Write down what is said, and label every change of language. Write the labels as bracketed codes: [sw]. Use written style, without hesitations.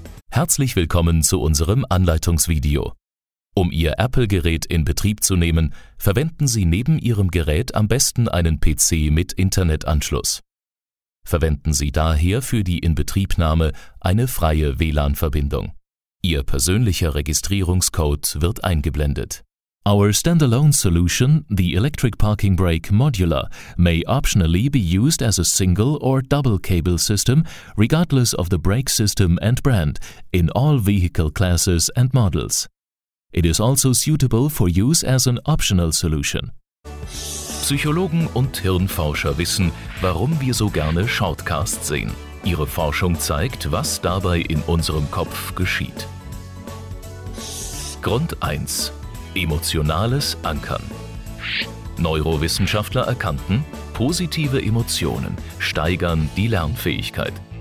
[de] Herzlich willkommen zu unserem Anleitungsvideo. Um Ihr Apple-Gerät in Betrieb zu nehmen, verwenden Sie neben Ihrem Gerät am besten einen PC mit Internetanschluss. Verwenden Sie daher für die Inbetriebnahme eine freie WLAN-Verbindung. Ihr persönlicher Registrierungscode wird eingeblendet. [en] Our standalone solution, the Electric Parking Brake Modular, may optionally be used as a single or double cable system, regardless of the brake system and brand, in all vehicle classes and models. It is also suitable for use as an optional solution. [de] Psychologen und Hirnforscher wissen, warum wir so gerne Shortcasts sehen. Ihre Forschung zeigt, was dabei in unserem Kopf geschieht. Grund 1. Emotionales Ankern. Neurowissenschaftler erkannten, positive Emotionen steigern die Lernfähigkeit.